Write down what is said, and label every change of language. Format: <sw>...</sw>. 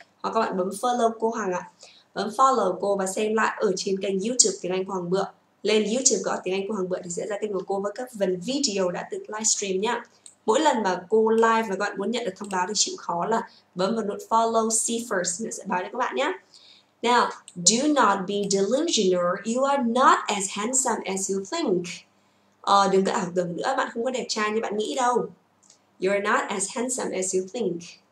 <vi>Hoặc các bạn bấm follow cô Hằng ạ. Bấm follow cô và xem lại ở trên kênh YouTube Tiếng Anh của Hằng Bựa. Lên YouTube gõ Tiếng Anh của Hằng Bựa thì sẽ ra kênh của cô với các phần video đã từng livestream nhá. Mỗi lần mà cô live và các bạn muốn nhận được thông báo thì chịu khó là bấm vào nút follow see first, nó sẽ báo cho các bạn nhé.</vi> <en>Now, do not be delusional. You are not as handsome as you think.</en> <vi>Đừng có ảo tưởng nữa, bạn không có đẹp trai như bạn nghĩ đâu.</vi> <en>You are not as handsome as you think.</en>